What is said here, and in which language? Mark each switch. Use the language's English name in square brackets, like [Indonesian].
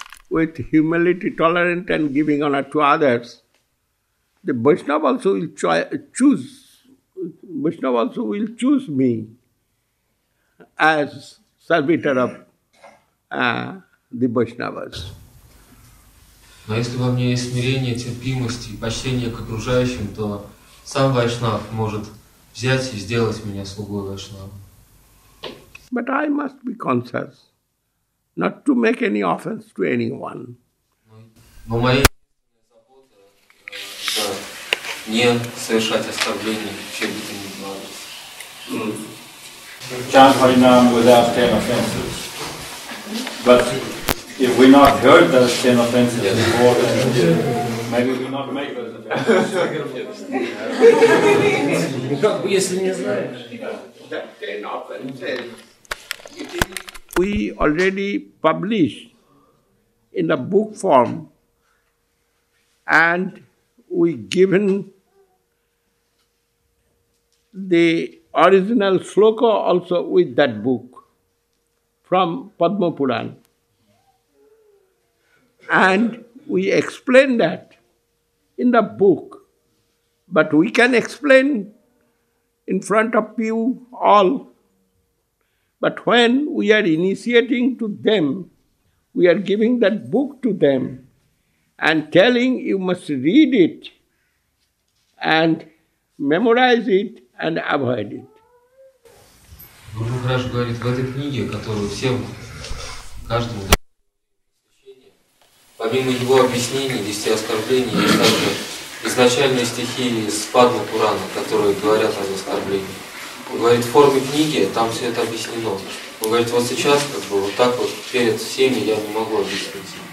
[English] with humility, tolerant and giving honor to others, the Vaishnava also will choose. Vaishnava also will choose me as servitor of the Vaishnavas. [Russian] Но если во мне есть смирение, терпимость и почтение к окружающим, то сам Вайшнав может взять и сделать меня слугой Вайшнава. [English] But I must be conscious not to make any offense to anyone. [Russian] Но моя забота не совершать оскорблений, чем бы ты ни занимался. [English] Chant Harinam without 10 offenses. But if we not heard those 10 offenses before, then maybe we not make those offenses. We already published in a book form and we given the original sloka also with that book from Padma Puran. And we explain that in the book, but we can explain in front of you all. But when we are initiating to them, we are giving that book to them and telling you must read it and memorize it and avoid it. [Russian] Гуру Махарадж говорит, в этой книге, которую всем, каждому священнику, помимо его объяснений, 10 оскорблений, есть также изначальные стихи из Падма Пурана, которые говорят об оскорблении. Он говорит, в форме книги там все это объяснено. Он говорит, вот сейчас, как бы, вот так вот перед всеми я не могу объяснить.